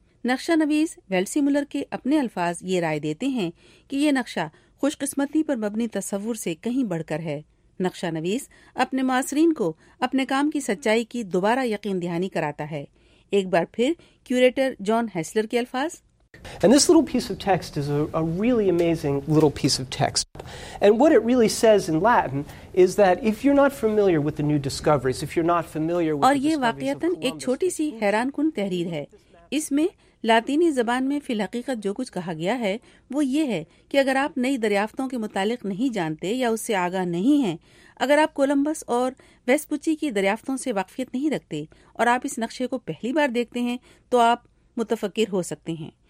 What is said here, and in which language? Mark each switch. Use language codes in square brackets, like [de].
[ur] نقشہ نویس ویلٹسیمولر کے اپنے الفاظ یہ رائے دیتے ہیں کہ یہ نقشہ خوش قسمتی پر مبنی تصور سے کہیں بڑھ کر ہے. نقشہ نویس اپنے معاصرین کو اپنے کام کی سچائی کی دوبارہ یقین دہانی کراتا ہے. ایک بار پھر کیوریٹر جان ہیسلر کے الفاظ, [en] And this little piece of text is a really amazing little piece of text. And what it really says in Latin is that if you're not familiar with the new discoveries, if you're not familiar with [ur] اور یہ واقعتاً ایک چھوٹی سی حیران کن تحریر ہے. اس میں لاطینی زبان میں فی الحقیقت جو کچھ کہا گیا ہے وہ یہ ہے کہ اگر آپ نئی دریافتوں کے متعلق نہیں جانتے یا اس سے آگاہ نہیں ہیں, اگر آپ کولمبس اور ویسپوچی کی دریافتوں سے واقفیت نہیں رکھتے اور آپ اس نقشے کو پہلی بار دیکھتے ہیں, تو آپ متفکر ہو سکتے ہیں.